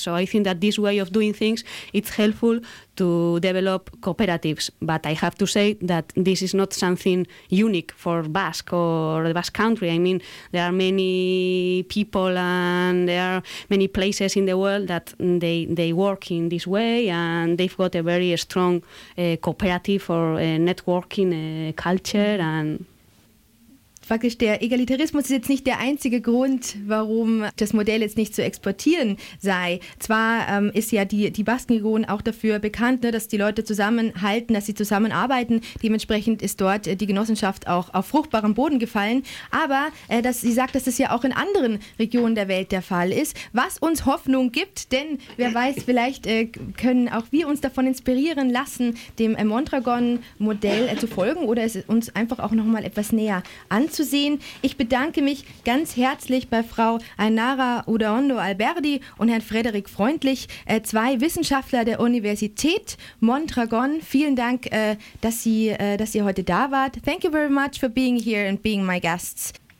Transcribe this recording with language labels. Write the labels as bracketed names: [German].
[English] So I think that this way of doing things, it's helpful to develop cooperatives, but I have to say that this is not something unique for Basque or the Basque Country. I mean, there are many people and there are many places in the world that they work in this way and they've got a very strong cooperative or networking culture and... [German] Faktisch, der Egalitarismus ist jetzt nicht der einzige Grund, warum das Modell jetzt nicht zu exportieren sei. Zwar ist ja die Baskenregion auch dafür bekannt, ne, dass die Leute zusammenhalten, dass sie zusammenarbeiten. Dementsprechend ist dort die Genossenschaft auch auf fruchtbarem Boden gefallen. Aber sie sagt, dass das ja auch in anderen Regionen der Welt der Fall ist, was uns Hoffnung gibt. Denn wer weiß, vielleicht können auch wir uns davon inspirieren lassen, dem Mondragon-Modell zu folgen oder es uns einfach auch nochmal etwas näher anzusehen. Ich bedanke mich ganz herzlich bei Frau Ainara Udaondo Alberdi und Herrn Frederik Freundlich, zwei Wissenschaftler der Universität Mondragon. Vielen Dank, dass ihr heute da wart. [English] Thank you very much for being here and being my guests.